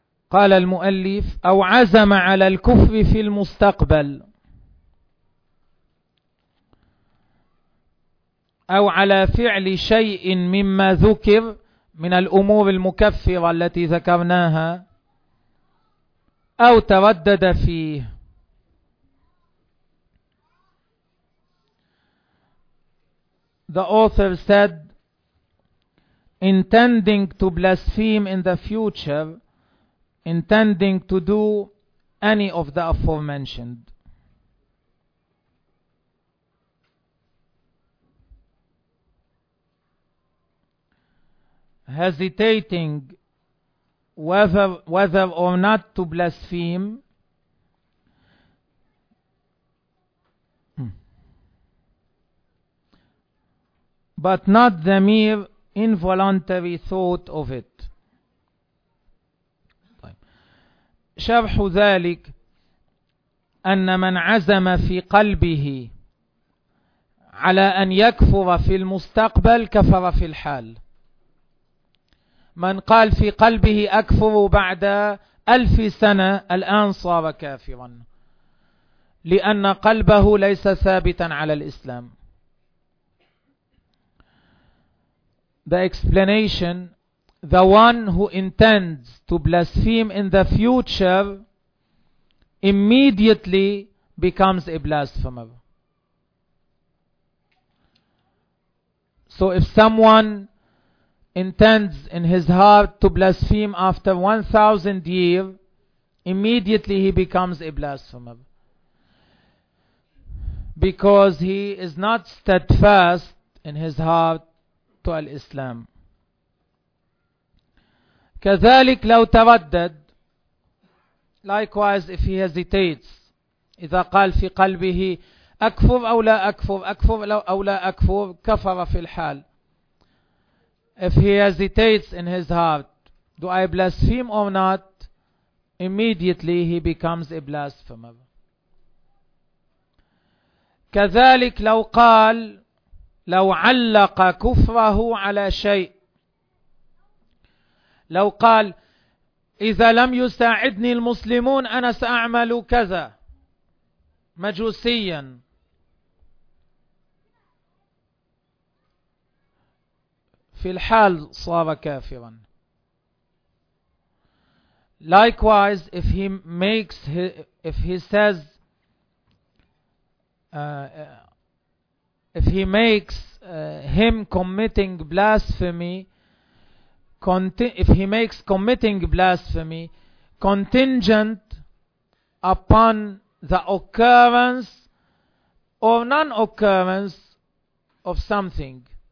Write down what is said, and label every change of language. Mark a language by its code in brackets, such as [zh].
[ar] قال المؤلف أو عزم على الكفر في المستقبل أو على فعل شيء مما ذكر من الأمور المكفرة التي ذكرناها أو تردد فيه. [en] The author said intending to blaspheme in the future, intending to do any of the aforementioned. Hesitating whether or not to blaspheme. But not the mere involuntary thought of it. [ar] شرح ذلك أن من عزم في قلبه على أن يكفر في المستقبل كفر في الحال. من قال في قلبه أكفر بعد 1000 سنة الآن صار كافرا لأن قلبه ليس ثابتا على الإسلام. [en] The explanation: the one who intends to blaspheme in the future immediately becomes a blasphemer. So if someone intends in his heart to blaspheme after 1,000 years, immediately he becomes a blasphemer. Because he is not steadfast in his heart to Al-Islam. [ar] كذلك لو تردد, [en] likewise if he hesitates, [ar] إذا قال في قلبه أكفر أو لا أكفر, أكفر أو لا أكفر, كفر في الحال. [en] If he hesitates in his heart, do I blaspheme or not? Immediately he becomes a blasphemer. [ar] كذلك لو قال لو علق كفره على شيء, لو قال إذا لم يساعدني المسلمون أنا سأعمل كذا مجوسيا, في الحال صار كافرا. [en] Likewise, if he makes, if he says, if he makes him committing blasphemy, if he makes committing blasphemy contingent upon the occurrence or non-occurrence of something,